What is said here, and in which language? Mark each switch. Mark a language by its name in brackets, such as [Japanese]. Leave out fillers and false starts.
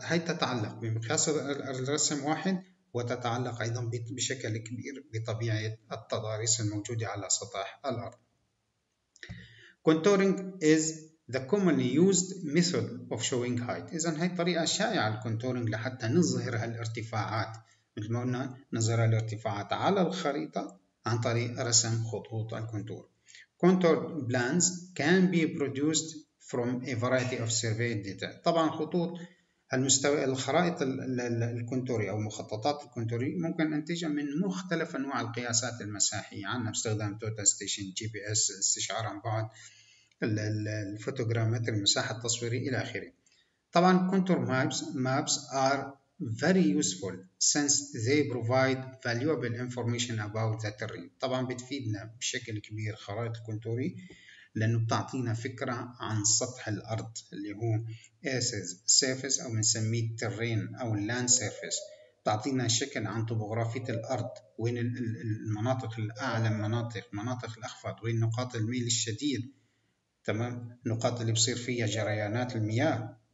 [Arabic] هاي تتعلق بمقياس الرسم واحد، وتتعلق أيضا بشكل كبير بطبيعة التضاريس الموجودة على سطح الأرض. [English] Contouring is the commonly used method of showing height. [Arabic] إذا هاي طريقة شائعة الكونتورينج لحتى نظهر هالارتفاعات، مثل ما قلنا نظهر الارتفاعات على الخريطة عن طريق رسم خطوط الكونتور. [English] Contour plans can be produced from a variety of survey data. [Arabic] طبعا خطوط المستوى الخرائط الكونتوري او مخططات الكونتوري ممكن ان تجي من مختلف انواع القياسات المساحيه، عندنا باستخدام توتال ستيشن، جي بي اس، استشعار عن بعد، الفوتوغرامتري، المساحه التصويريه الى اخره. [English] طبعا contour maps are very useful since they provide valuable information about the terrain. [Arabic] طبعا بتفيدنا بشكل كبير خرائط الكونتوري لانه بتعطينا فكره عن سطح الارض اللي هو surface او بنسميه terrain او land surface، بتعطينا شكل عن طبوغرافيه الارض، وين المناطق الاعلى، مناطق الاخفض، وين نقاط الميل الشديد، تمام، نقاط اللي بصير فيها جريانات المياه.